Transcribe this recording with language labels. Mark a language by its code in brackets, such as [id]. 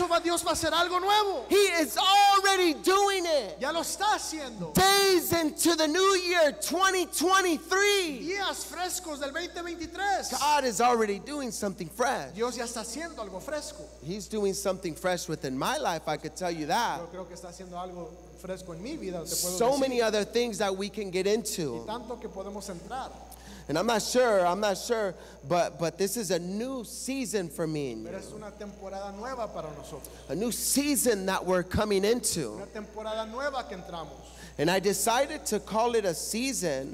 [en] He is already doing it. [es] Ya lo está haciendo. [en] Days into the new year, 2023. [es] Días frescos del 2023. [en] God is already doing something fresh. [es] Dios ya está haciendo algo fresco. [en] He's doing something fresh within my life, I could tell you that. [es] Yo creo que está haciendo algo fresco en mi vida, te puedo decir. [en] So many other things that we can get into. [es] Y tanto que podemos entrar. [en] And I'm not sure, but this is a new season for me and you. [es] Pero es una temporada nueva para nosotros. [en] A new season that we're coming into. [es] Una temporada nueva que entramos. [en] And I decided to call it a season